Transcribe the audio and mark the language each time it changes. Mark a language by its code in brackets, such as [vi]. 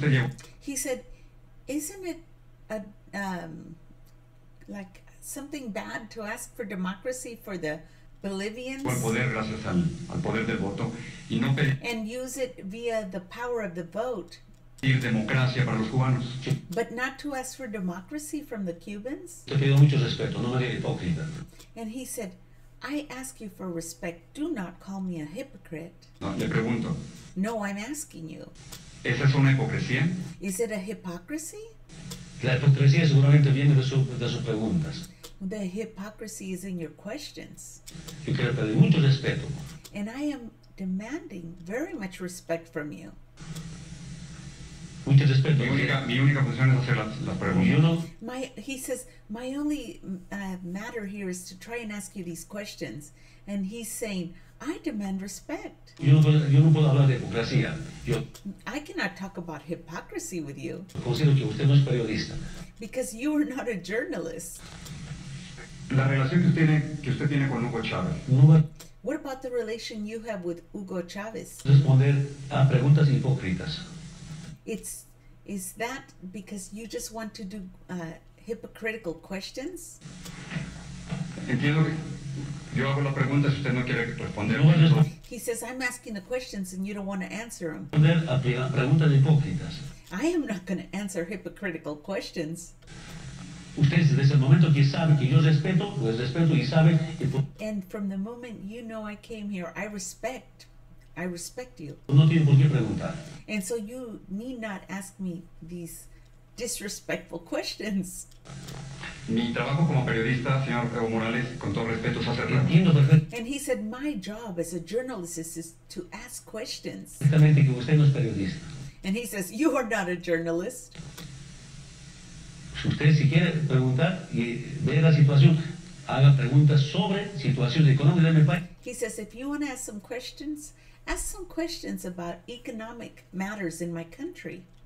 [es] Te llevo. [en] He said, isn't it a... like something bad to ask for democracy for the Bolivians. [es] Al poder, gracias al poder del voto, y no [en] and use it via the power of the vote. [es] Pedir democracia para los cubanos. [en] But not to ask for democracy from the Cubans. [es] Te pido mucho respeto, no me digas hipócrita. [en] And he said, I ask you for respect. Do not call me a hypocrite. [es] No, le pregunto. [en] No, I'm asking you. [es] ¿Esa es una hipocresía? [en] Is it a hypocrisy? [es] La hipocresía seguramente viene de sus preguntas. [en] The hypocrisy is in your questions. [es] Yo quiero pedir mucho respeto. [en] And I am demanding very much respect from you. [es] Mucho respeto. Mi única función es hacer las preguntas. [en] He says, my only matter here is to try and ask you these questions. And he's saying, I demand respect. [es] Yo no puedo hablar de hipocresía. [en] I cannot talk about hypocrisy with you. [es] Considero que usted no es periodista. [en] Because you are not a journalist. [es] La relación que usted tiene con Hugo Chávez. [en] What about the relation you have with Hugo Chávez? [es] Responder a preguntas hipócritas. [en] Is that because you just want to do hypocritical questions? [es] Entiendo que... Yo hago las preguntas si usted no quiere responder. [en] He says, I'm asking the questions and you don't want to answer them. [es] Preguntas hipócritas. [en] I am not going to answer hypocritical questions. [es] Usted desde ese momento que sabe que yo respeto, pues respeto y sabe. [en] And from the moment you know I came here, I respect you. [es] No tiene por qué preguntar. [en] And so you need not ask me these disrespectful questions. [es] Mi trabajo como periodista, señor Evo Morales, con todo respeto, es hacer la... [en] And he said, my job as a journalist is to ask questions. [es] Exactamente, que usted no es periodista. [en] And he says, you are not a journalist. [es] Si usted si quiere preguntar y ver la situación, haga preguntas sobre situaciones económicas en el país. [en] He says, if you want to ask some questions about economic matters in my country.